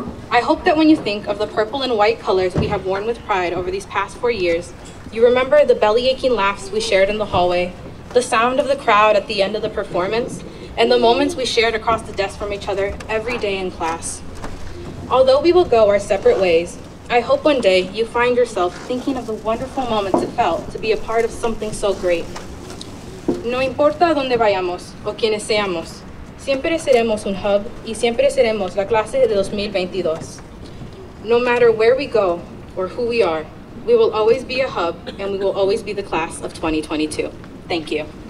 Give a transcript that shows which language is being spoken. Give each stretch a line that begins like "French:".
English: I hope that when you think of the purple and white colors we have worn with pride over these past 4 years, you remember the belly-aching laughs we shared in the hallway, the sound of the crowd at the end of the performance, and the moments we shared across the desk from each other every day in class. Although we will go our separate ways, I hope one day you find yourself thinking of the wonderful moments it felt to be a part of something so great.
Spanish: No importa dónde vayamos o quiénes seamos, siempre seremos un hub y siempre seremos la clase de 2022.
English: No matter where we go or who we are, we will always be a hub and we will always be the class of 2022. Thank you.